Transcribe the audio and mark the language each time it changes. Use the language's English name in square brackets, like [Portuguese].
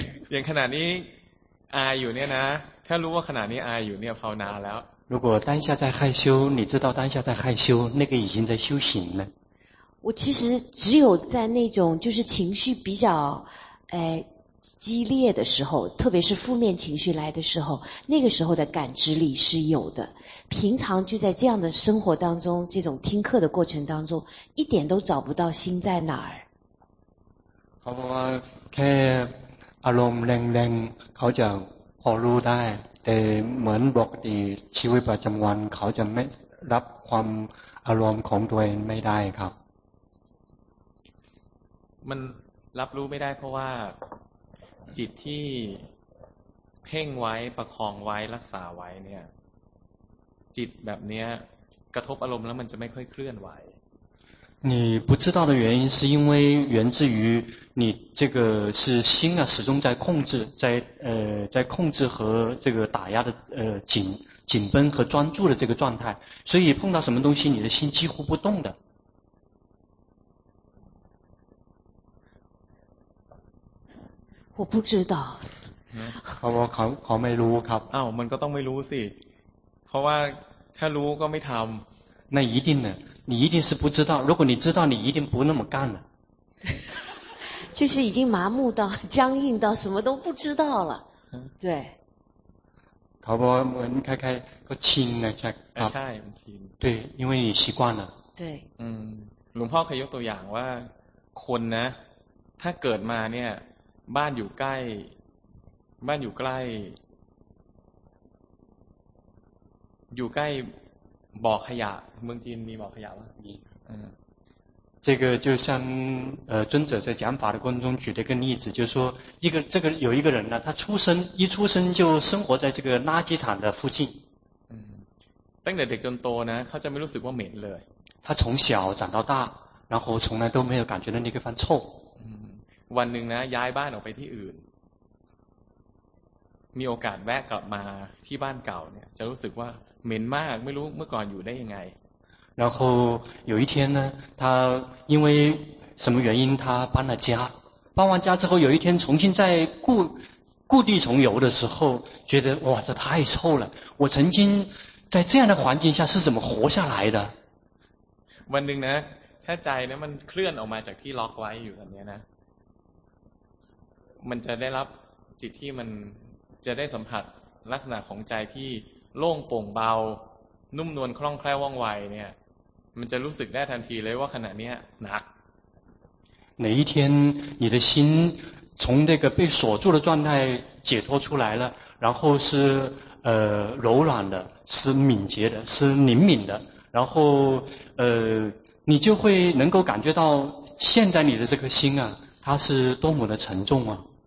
[Thai] อย่างขณะนี้อายอยู่เนี่ยนะถ้ารู้ว่าขณะนี้อายอยู่เนี่ยภาวนาแล้ว [Chinese] 如果当下在害羞你知道当下在害羞那个已经在修行了我其实只有在那种就是情绪比较激烈的时候特别是负面情绪来的时候那个时候的感知力是有的平常就在这样的生活当中这种听课的过程当中一点都找不到心在哪儿 [Thai] เขาบอกว่าแค่อารมณ์แรงๆเขาจะพอรู้ได้แต่เหมือนปกติชีวิตประจำวันเขาจะไม่รับความอารมณ์ของตัวเองไม่ได้ครับ มันรับรู้ไม่ได้เพราะว่าจิตที่เพ่งไว้ประคองไว้รักษาไว้เนี่ยจิตแบบเนี้ยกระทบอารมณ์แล้วมันจะไม่ค่อยเคลื่อนไหว [Chinese] 你不知道的原因是因为源自于你这个是心啊，始终在控制，在控制和这个打压的紧绷和专注的这个状态，所以碰到什么东西，你的心几乎不动的。我不知道。 [Thai] เขาไม่รู้ครับ อ้าว มันก็ต้องไม่รู้สิ เพราะว่าถ้ารู้ก็ไม่ทำ [Chinese] 那一定的，你一定是不知道。如果你知道，你一定不那么干了。就是已经麻木到僵硬到什么都不知道了。对。 [Thai] เขาบอกเหมือนคล้ายๆก็ชินนะใช่ครับ ใช่ชิน [Chinese] 对因为你习惯了对 [Thai] หลวงพ่อเคยยกตัวอย่างว่าคนนะถ้าเกิดมาเนี่ยบ้านอยู่ใกล้บ้านอยู่ใกล้อยู่ใกล้บ่อขยะเมืองจีนมีบ่อขยะไหม มี [Chinese] 这个就像尊者在讲法的过程中举了一个例子，就是说一个这个有一个人呢，他出生一出生就生活在这个垃圾场的附近。当然得尊多呢，他就没有说过美乐。他从小长到大，然后从来都没有感觉到那个方臭。 [Thai] วันหนึ่งนะย้ายบ้านออกไปที่อื่นมีโอกาสแวะกลับมาที่บ้านเก่าเนี่ยจะรู้สึกว่าเหม็นมากไม่รู้เมื่อก่อนอยู่ได้ยังไง [Chinese] 然后有一天呢，他因为什么原因他搬了家，搬完家之后有一天重新在故地重游的时候，觉得哇这太臭了，我曾经在这样的环境下是怎么活下来的？ [Thai] วันหนึ่งนะถ้าใจนะมันเคลื่อนออกมาจากที่ล็อกไว้อยู่แบบนี้นะมันจะได้รับจิตที่มันจะได้สัมผัสลักษณะของใจที่โล่งโปร่งเบานุ่มนวลคล่องแคล่วว่องไวเนี่ยมันจะรู้สึกได้ทันทีเลยว่าขณะนี้หนัก [Chinese] 哪一天你的心从这个被锁住的状态解脱出来了，然后是柔软的，是敏捷的，是灵敏的，然后你就会能够感觉到现在你的这颗心啊，它是多么的沉重啊。